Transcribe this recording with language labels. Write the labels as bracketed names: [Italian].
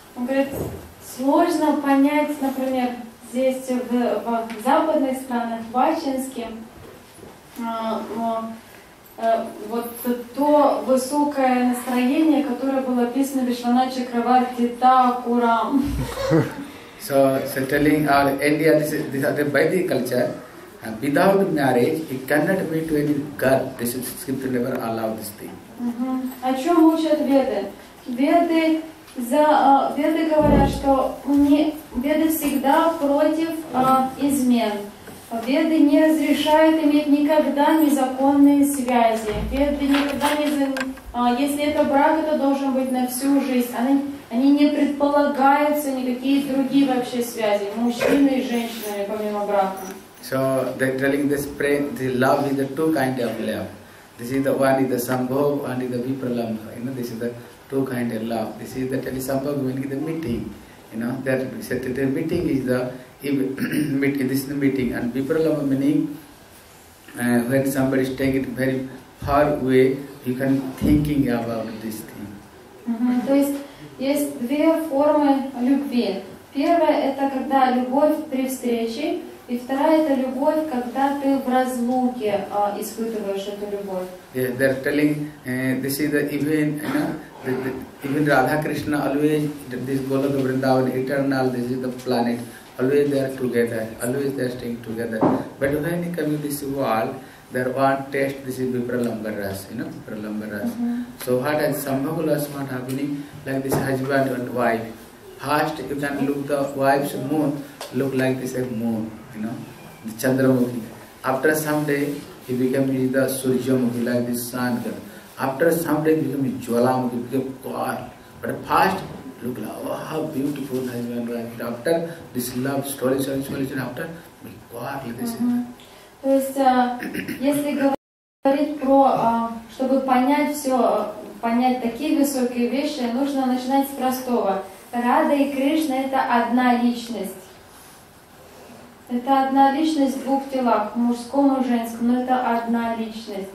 [Russian] Он говорит, сложно понять, например, здесь в западных странах, в Ачинске, вот то высокое настроение, которое было описано Вишванатха Чакраварти Такурам. [English] So telling our India, this is the Vedic culture. Without marriage, he cannot meet to any girl. This is scripture never allow this thing. [Russian] О чем учат веды? Веды за веды говорят, что веды всегда против измен. Веды не разрешают иметь никогда незаконные связи. Веды никогда не если это брак, это должен быть на всю жизнь. Они не предполагаются никакие другие вообще связи мужчины и женщины помимо брака. [English] So they're telling this pray, the love is the two kind of love. This is the one is the sambhog, one is the vipralambha. You know, this is the two kind of love. This is the telesambhog when the meeting. You know, that said the meeting is the meeting. This is the meeting, and vipralambha meaning when somebody is taking it very far away, you can thinking about this thing. [Russian] То есть есть две формы любви. Первая это когда любовь при встрече. И вторая это любовь, когда ты в разлуке испытываешь эту любовь. [English] Yeah, they're telling this is the even, you know, even Radha Krishna always this Golok Vrindavan eternal. This is the planet. Always they are together. Always they are staying together. But when they come to this world, they want taste. This is Vipralambha Ras, you know, Vipralambha Ras. So what has Sambhavulas what happening? Like this husband and wife. First you can look the wife's moon. Look like this a moon. You know, Chandramukhi. After some day, he becomes the Suryamukhi, like this sun. After some day, he becomes Jwalamukhi, he becomes God. But first, look like, oh, how beautiful has been like it. After this love, story, after, be God, like this. [Russian] То есть, если говорить про, чтобы понять все, понять такие высокие вещи, нужно начинать с простого. Рада и Кришна – это одна личность. Это одна личность в двух телах, мужском и женском, но это одна личность.